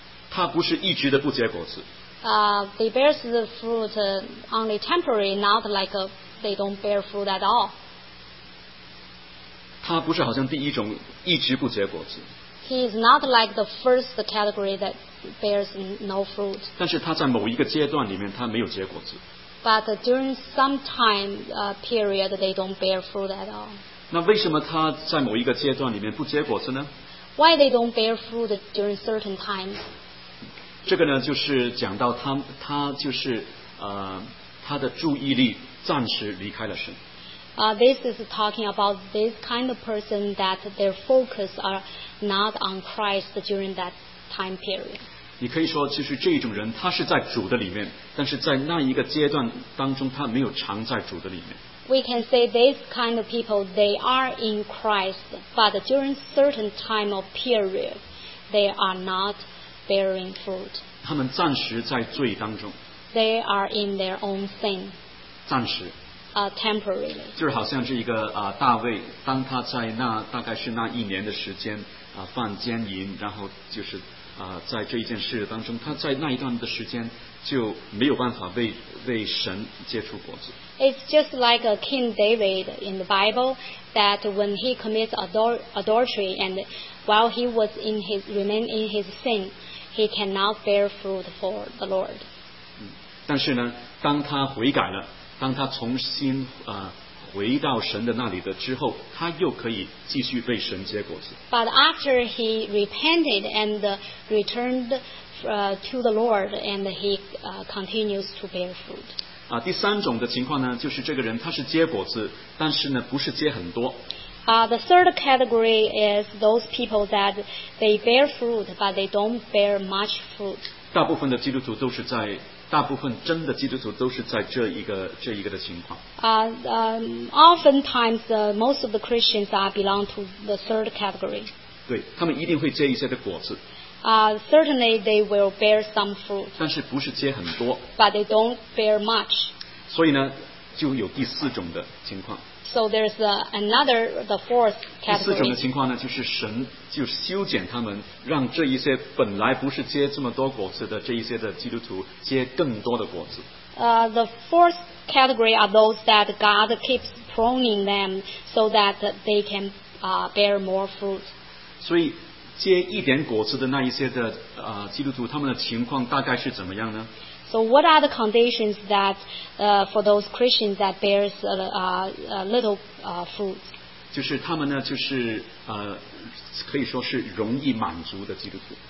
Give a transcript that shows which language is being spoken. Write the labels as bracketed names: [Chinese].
[Chinese] 它不是一直的不结果子。 [English] They bear the fruit only temporary, not like they don't bear fruit at all. [Chinese] 他不是好像第一种一直不结果子。 [English] He is not like the first category that bears no fruit. [Chinese] 但是他在某一个阶段里面他没有结果子。 [English] But during some time period, they don't bear fruit at all. [Chinese] 那为什么他在某一个阶段里面不结果子呢？ [English] Why they don't bear fruit during certain times? [Chinese] 这个呢，就是讲到他就是他的注意力暂时离开了神。 [English] This is talking about this kind of person that their focus are not on Christ during that time period. [Chinese] 你可以说，其实这种人他是在主的里面，但是在那一个阶段当中，他没有常在主的里面。 [English] We can say these kind of people they are in Christ, but during certain time of period, they are not. Bearing fruit. [Chinese] 他们暂时在罪当中。 [English] They are in their own sin. [Chinese] 暂时。 [English] Temporarily. [Chinese] 就是好像是一个大卫，当他在那大概是那一年的时间犯奸淫，然后就是在这一件事当中，他在那一段的时间就没有办法 为神结出果子。 [English] It's just like a King David in the Bible, that when he commits adultery and while he was in his remain in his sin, he cannot bear fruit for the Lord. [Chinese] 但是呢，当他悔改了，当他重新回到神的那里的之后，他又可以继续为神结果子。 [English] But after he repented and returned to the Lord, and he continues to bear fruit. [Chinese] 啊，第三种的情况呢，就是这个人他是结果子，但是呢，不是结很多。 [English] The third category is those people that they bear fruit, but they don't bear much fruit. [Chinese] 大部分的基督徒都是在。大部分真的基督徒都是在这一个的情况。 [English] Oftentimes, most of the Christians are belong to the third category. [Chinese] 对，他们一定会结一些的果子。 [English] Certainly they will bear some fruit. [Chinese] 但是不是结很多。 [English] But they don't bear much. [Chinese] 所以呢，就有第四种的情况。 [English] So there's the fourth category. [Chinese] 第四种的情况呢，就是神就修剪他们，让这一些本来不是结这么多果子的这一些的基督徒结更多的果子。 [English] The fourth category are those that God keeps pruning them so that they can bear more fruit. [Chinese] 所以结一点果子的那一些的基督徒，他们的情况大概是怎么样呢？ [English] So what are the conditions that for those Christians that bears little fruit? [Chinese] 就是他们呢，就是可以说是容易满足的基督徒。